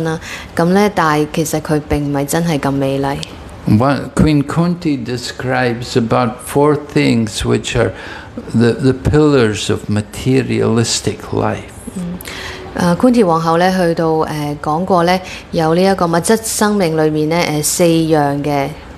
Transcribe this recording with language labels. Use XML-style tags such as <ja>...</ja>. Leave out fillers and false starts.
<yue>我哋嘗試用好多嘅方法令到我哋嘅身體保持青春啦。咁咧，但係其實佢並唔係真係咁美麗。</yue> <en>One Queen Kunti describes about four things which are the pillars of materialistic life.</en> <yue>昆提王后呢去到讲过呢有呢一个物质生命里面呢四样嘅</yue>